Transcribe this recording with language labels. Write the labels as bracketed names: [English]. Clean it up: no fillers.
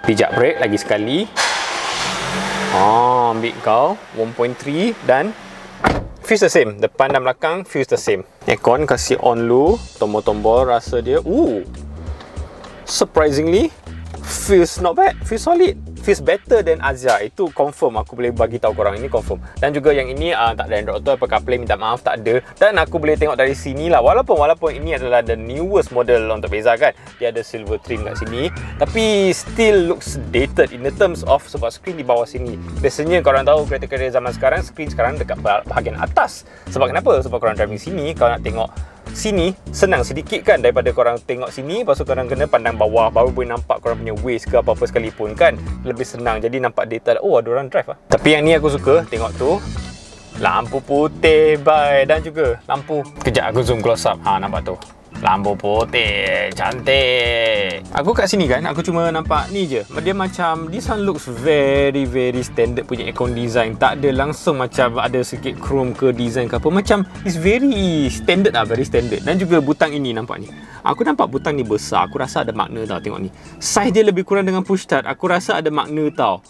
[Malay] Pijak brake lagi sekali. Ambil kau 1.3 dan [English] feels the same. [Malay] Depan dan belakang [English] feels the same. [Malay] Aircon kasi on lu, tombol-tombol rasa dia. [English] Surprisingly feels not bad. Feels solid. Feels better than Azia. [Malay] Itu confirm. Aku boleh bagi tahu korang. Ini confirm. Dan juga yang ini tak ada Android Auto. Apple CarPlay, minta maaf. Tak ada. Dan aku boleh tengok dari sini lah. Walaupun ini adalah [English] the newest model [Malay] untuk Beza kan. Dia ada silver trim kat sini. Tapi [English] still looks dated in the terms of, [Malay] sebab screen di bawah sini. Biasanya korang tahu kereta-kereta zaman sekarang, screen sekarang dekat bahagian atas. Sebab kenapa? Sebab korang driving sini, korang nak tengok sini senang sedikit kan, daripada korang tengok sini lepas tu korang kena pandang bawah baru boleh nampak korang punya waist ke apa-apa sekalipun kan. Lebih senang, jadi nampak data. Ada orang drive lah. Tapi yang ni aku suka, tengok tu lampu putih bye, dan juga lampu, kejap aku zoom close up. Nampak tu lampu putih, cantik. Aku kat sini kan, aku cuma nampak ni je. Dia macam, [English] this one looks very very standard [Malay] punya [English] aircon design. [Malay] Tak ada langsung macam ada sikit chrome ke design ke apa. Macam, [English] it's very standard [Malay] lah, [English] very standard. [Malay] Dan juga butang ini nampak ni. Aku nampak butang ni besar, aku rasa ada makna tau, tengok ni. Size dia lebih kurang dengan push start, aku rasa ada makna tau.